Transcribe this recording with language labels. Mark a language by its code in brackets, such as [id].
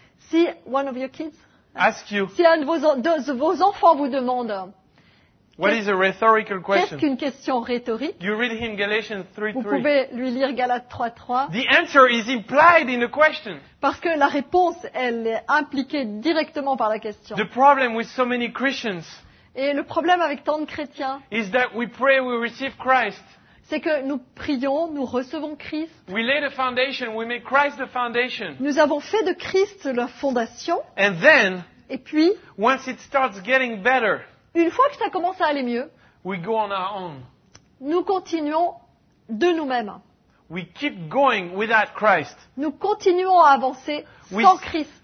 [en] Si one of your kids ask you, [fr] si un de vos enfants vous demande, [en] what is a rhetorical question? [fr] Qu'est-ce qu'une question rhétorique? [en] You read him Galatians 3:3. [fr] Vous pouvez lui lire Galates 3:3. [en] The answer is implied in the question. [fr] Parce que la réponse, elle est impliquée directement par la question. [en] The problem with so many Christians. [fr] Et le problème avec tant de chrétiens. [en] Is that we pray, we receive Christ. [fr] C'est que nous prions, nous recevons Christ. [en] We lay the foundation, we make Christ the foundation. [fr] Nous avons fait de Christ la fondation. [en] And then, [fr] et puis, [en] once it starts getting better, [fr] une fois que ça commence à aller mieux, [en] we go on our own. [fr] Nous continuons de nous-mêmes. [en] We keep going without Christ. [fr] Nous continuons à avancer sans Christ.